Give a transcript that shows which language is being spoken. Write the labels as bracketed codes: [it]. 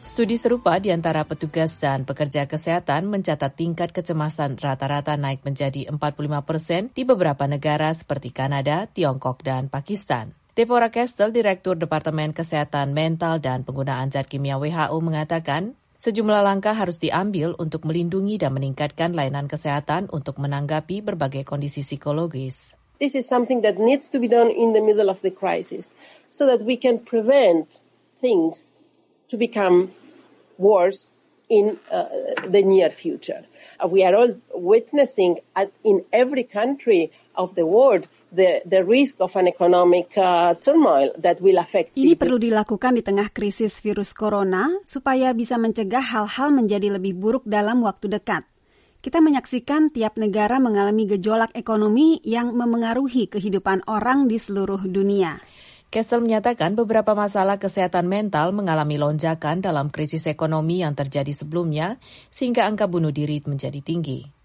[id] Studi serupa di antara petugas dan pekerja kesehatan mencatat tingkat kecemasan rata-rata naik menjadi 45% di beberapa negara seperti Kanada, Tiongkok, dan Pakistan. Deborah Castle, Direktur Departemen Kesehatan Mental dan Penggunaan Zat Kimia WHO, mengatakan, sejumlah langkah harus diambil untuk melindungi dan meningkatkan layanan kesehatan untuk menanggapi berbagai kondisi psikologis. [en] This is something that needs to be done in the middle of the crisis so that we can prevent things to become worse in the near future. We are all witnessing in every country of the world the risk of an economic turmoil that will affect [id] people. Ini perlu dilakukan di tengah krisis virus corona supaya bisa mencegah hal-hal menjadi lebih buruk dalam waktu dekat. Kita menyaksikan tiap negara mengalami gejolak ekonomi yang memengaruhi kehidupan orang di seluruh dunia. Kessel menyatakan beberapa masalah kesehatan mental mengalami lonjakan dalam krisis ekonomi yang terjadi sebelumnya, sehingga angka bunuh diri menjadi tinggi.